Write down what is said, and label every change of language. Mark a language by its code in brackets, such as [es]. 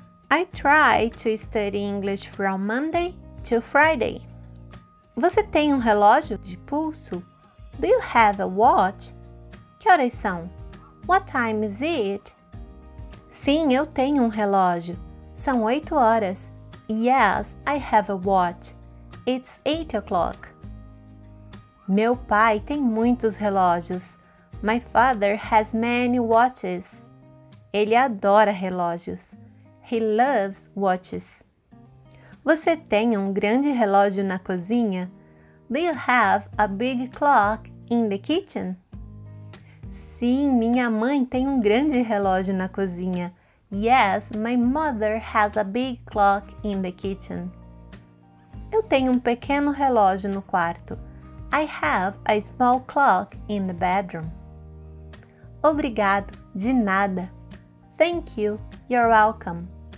[en] I try to study English from Monday to Friday. [pt] Você tem um relógio de pulso? [en] Do you have a watch? [pt] Que horas são? [en] What time is it? [pt] Sim, eu tenho um relógio. São 8 horas. [en] Yes, I have a watch. It's 8 o'clock. [pt] Meu pai tem muitos relógios. [en] My father has many watches. [pt] Ele adora relógios. [en] He loves watches. [pt] Você tem um grande relógio na cozinha? [en] Do you have a big clock in the kitchen? [pt] Sim, minha mãe tem um grande relógio na cozinha. [en] Yes, my mother has a big clock in the kitchen. [pt] Eu tenho um pequeno relógio no quarto. [en] I have a small clock in the bedroom. [pt] Obrigado, de nada. [en] Thank you, you're welcome.